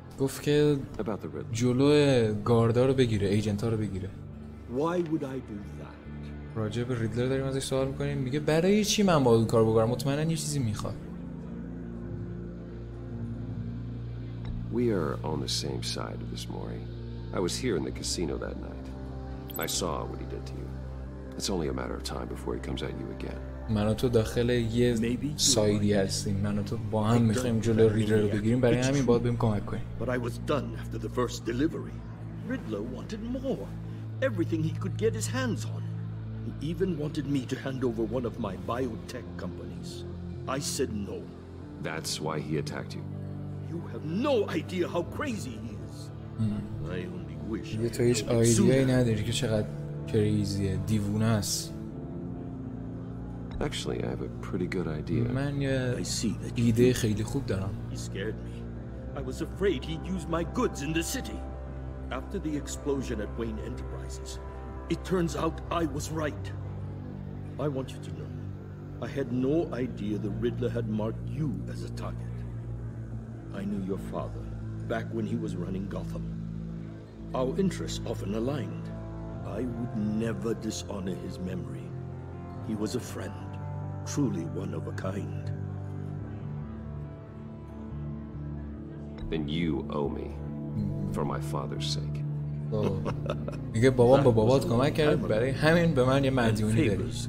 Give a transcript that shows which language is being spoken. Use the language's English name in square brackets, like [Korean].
[Persian] گفت که جلوی گاردا رو بگیره، ایجنت ها رو بگیره. [English] Why would I do that? [Persian] راجع به ریدلر داریم ازش سوال میکنیم، میگه برای چی من باید کار بگرم؟ مطمئنن یه چیزی میخواد. [English] We are on the same side of this, Mori. I was here in the casino that night. I saw what he did to you. It's only a matter of time before he comes at you again. [Persian] من و تو داخل یه سایدی هستیم. من و تو با هم میخواییم جلو ریدلر رو بگیریم، برای همین باید بهم کمک کنیم. [English] But I was done after the first delivery. Riddler wanted more. Everything he could get his hands on. Even wanted me to hand over one of my biotech companies. I said no. That's why he attacked you. You have no idea how crazy he is. I only wish. [Persian] یه تو هیچ ایده‌ای نداری که چقدر کریزیه، دیوونه است. [English] Actually, I have a pretty good idea. [Persian] من یه ایده خیلی خوب دارم. [English] He scared me. I was afraid he'd use my goods in the city. After the explosion at Wayne Enterprises. It turns out I was right. I want you to know, I had no idea the Riddler had marked you as a target. I knew your father back when he was running Gotham. Our interests often aligned. I would never dishonor his memory. He was a friend, truly one of a kind. Then you owe me, for my father's sake. [Persian] میگه بابام به بابات کمک کرد، برای همین به من یه مدیونی داری.